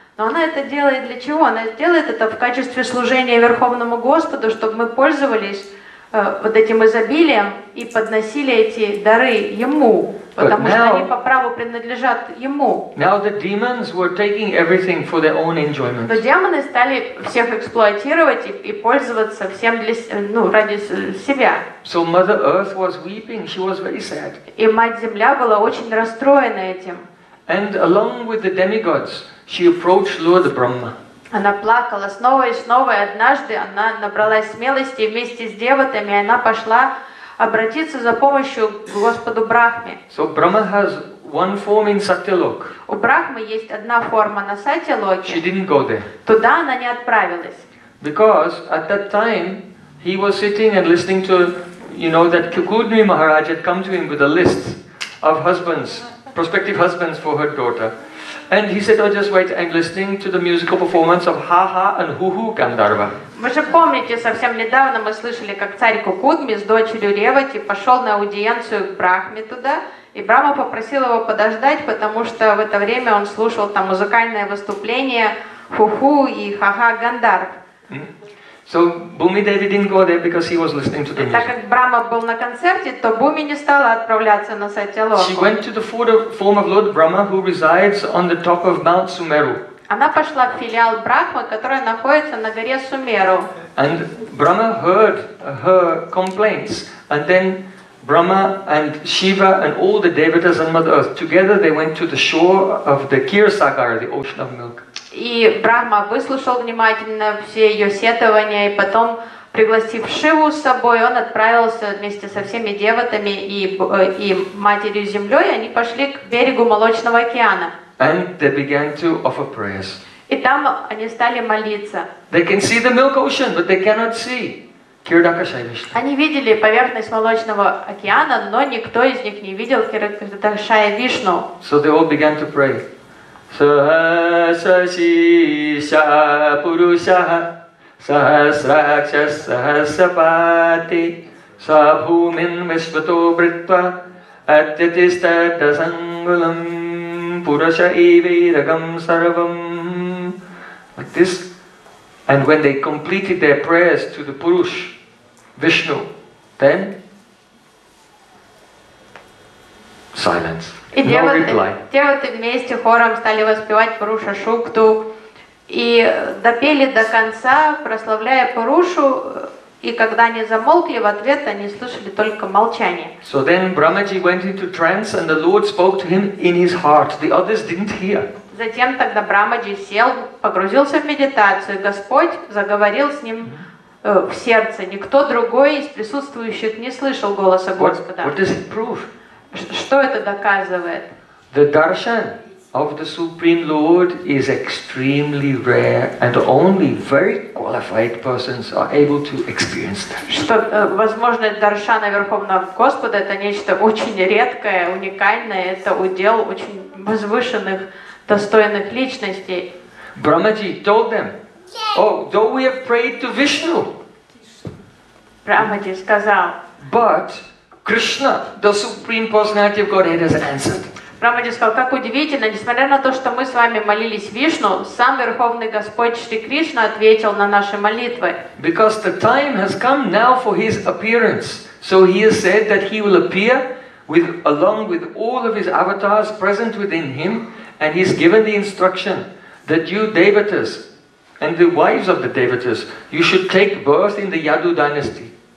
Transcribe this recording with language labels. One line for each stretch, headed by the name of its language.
Russian: Но она это делает для чего? Она делает это в качестве служения Верховному Господу, чтобы мы пользовались вот этим изобилием и подносили эти дары ему, потому что они по праву принадлежат ему.
English: Now the demons were taking everything for their own enjoyment.
Russian: Но демоны стали всех эксплуатировать и пользоваться всем для, ну, ради себя.
English: So Mother Earth was weeping, she was very sad.
Russian: И мать Земля была очень расстроена этим.
English: And along with the demigods, she approached Lord Brahma.
Russian: Она плакала снова и снова, и однажды она набралась смелости, и вместе с деватами она пошла обратиться за помощью к Господу Брахме.
English: So Brahma has one form in Satyalok.
Russian: У Брахмы есть одна форма на Сатилоке.
English: She didn't go there.
Russian: Туда она не отправилась.
English: Because at that time he was sitting and listening to, you know, that Kukudmi Maharaj had come to him with a list of husbands, prospective husbands for her daughter. And he said, "Oh, just wait, I'm listening to the musical performance of Ha Ha and Hu Hu Gandharva."
Russian: Вы же помните, совсем недавно мы слышали, как царь Кукудми с дочерью Ревати пошел на аудиенцию к Брахме туда, и Брахма попросил его подождать, потому что в это время он слушал там музыкальное выступление Hu Hu и Ha Ha Gandharv.
English: So Bhumi Devi didn't go there because he was listening to the music.
Russian: Так как Брахма был на концерте, то Бхуми не стала отправляться на Сатьялоку.
English: She went to the form of Lord Brahma, who resides on the top of Mount Sumeru.
Russian: Она пошла в филиал Брахмы, который находится на горе Сумеру.
English: And Brahma heard her complaints, and then Brahma and Shiva and all the devatas and Mother Earth together they went to the shore of the Kheersagar, the ocean of milk.
Russian: И Брахма выслушал внимательно все ее сетования, и потом, пригласив Шиву с собой, он отправился вместе со всеми деватами и матерью землей, и они пошли к берегу Молочного океана.
English: And they began to offer prayers.
Russian: И там они стали молиться.
English: They can see the milk ocean, but they cannot see Kirdakshaya Vishnu.
Russian: Они видели поверхность Молочного океана, но никто из них не видел Kirdakshaya Vishnu.
English: So they all began to pray.
Sanskrit: Sahasrasisha purushaha sahasraksha sahasrapati sabhumin vishvato britva atyatistata sangulam purasha iviragam sarvam.
English: Like this. And when they completed their prayers to the Purush, Vishnu, then silence.
Russian: И деваты вместе хором стали воспевать Пуруша Шукту и допели до конца, прославляя Пурушу, и когда они замолкли, в ответ они слышали только молчание.
English: So then Brahmaji went into trance and the Lord spoke to him in his heart. The others didn't hear.
Russian: Затем тогда Брахмаджи сел, погрузился в медитацию, Господь заговорил с ним в сердце. Никто другой из присутствующих не слышал голоса Господа.
English: What does it prove?
Russian: Что это доказывает?
English: The darshan of the Supreme Lord is extremely rare, and only very qualified persons are able to experience that.
Russian: Что возможность даршана Верховного Господа — это нечто очень редкое, уникальное. Это удел очень возвышенных, достойных личностей.
English: Brahmaji told them, "Oh, though we have prayed to Vishnu."
Russian: Брахмаджи сказал.
English: But Krishna, the Supreme Personality of Godhead, has answered.
Russian: Брахмаджи сказал, как удивительно, несмотря на то, что мы с вами молились Вишну, сам Верховный Господь Шри Кришна ответил на наши молитвы.
English: Because the time has come now for his appearance. So he has said that he will appear with, along with all of his avatars present within him, and he's given the instruction that you devatas and the wives of the devatas, you should take birth in the Yadu dynasty.